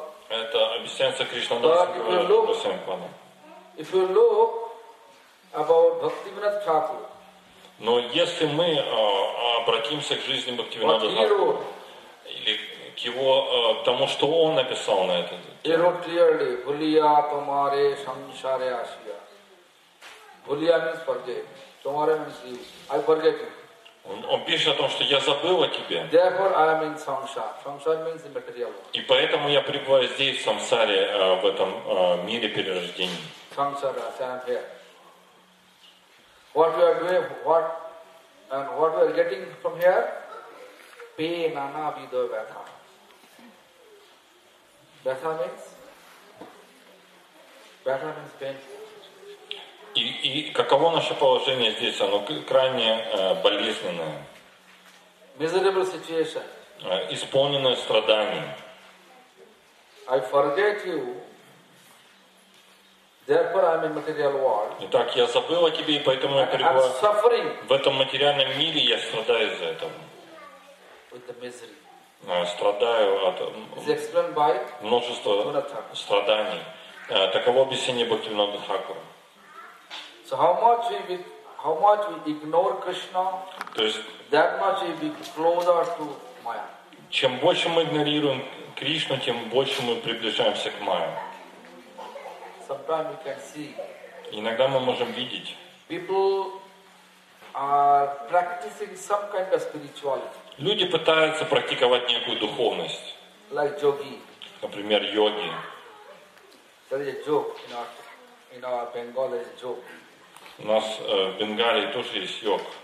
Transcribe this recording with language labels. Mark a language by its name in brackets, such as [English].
[Russian] Это объясняется Кришнадасом. [English] If you look about Bhaktivinoda Thakur. [Russian] Но если мы обратимся к жизни Бхактивинода Тхакура или к его тому, что он написал на этот. [English] He wrote clearly, [Bangla] "Bhuliya tumare samsare ashiya." [English] Bhuliya means forget. Tumare means I forget you. [Russian] Он пишет о том, что я забыл о тебе. [English] Therefore, I am in samsara. Samsara means the material world. [Russian] И поэтому я пребываю здесь, в самсаре, в этом мире перерождений. [English] Samsara, I am here. What we are doing, what we are getting from here? Pain, anavido, vyatha. Vyatha means pain. [Russian] И каково наше положение здесь? Оно крайне болезненное. [English] Miserable situation. [Russian] Исполненное страданий. [English] I forget you. Therefore I'm in material world. [Russian] Итак, я забыл о тебе, и поэтому я пребываю в этом материальном мире, я страдаю из-за этого. [English] With the misery. [Russian] Страдаю от множества страданий. Таково объяснение Бхактивинода Тхакура. [English] So how much we ignore Krishna, [Russian] то есть, [English] that much we be closer to Maya. [Russian] Чем больше мы игнорируем Кришну, тем больше мы приближаемся к Майе. [English] Sometimes we can see. [Russian] Иногда мы можем видеть. [English] People are practicing some kind of spirituality. [Russian] Люди пытаются практиковать некую духовность. [English] Like yogi. [Russian] Например, йоги. [English] There is a joke in our Bengali joke. [Russian] У нас в Бенгалии тоже есть йог.